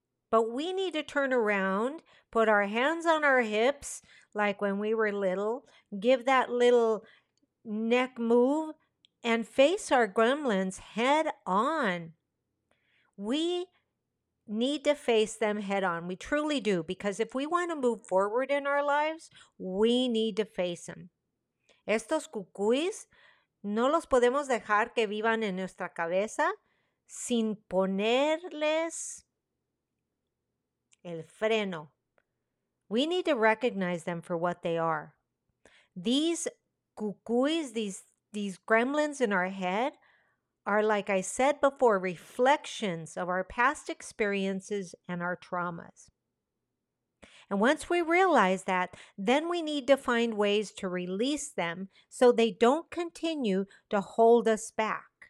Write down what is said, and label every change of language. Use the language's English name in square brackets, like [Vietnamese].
[English] But we need to turn around, put our hands on our hips, like when we were little, give that little neck move, and face our gremlins head on. We need to face them head on. We truly do, because if we want to move forward in our lives, we need to face them. [Spanish] Estos cucuis no los podemos dejar que vivan en nuestra cabeza sin ponerles el freno. [English] We need to recognize them for what they are. These cucuis, these gremlins in our head are, like I said before, reflections of our past experiences and our traumas. And once we realize that, then we need to find ways to release them so they don't continue to hold us back.